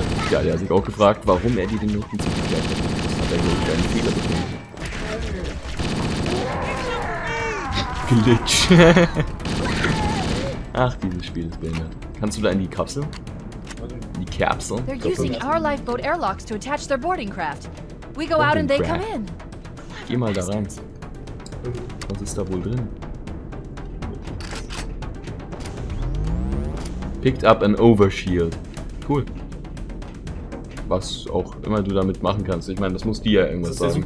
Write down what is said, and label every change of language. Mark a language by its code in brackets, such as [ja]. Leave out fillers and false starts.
[de] Ja, der hat sich auch gefragt, warum er die Minuten zu viel hat. Das hat er nur einen Fehler bekommen. [en] Glitch. [de] Ach, dieses Spiel ist behindert. Kannst du da in die Kapsel? In die Kapsel? [en] They're using our lifeboat airlocks to attach their boarding craft. We go out and they come in. [de] Geh mal da rein. Was ist da wohl drin? [en] Picked up an overshield. Cool. [de] Was auch immer du damit machen kannst. Ich meine, das muss dir ja irgendwas sagen.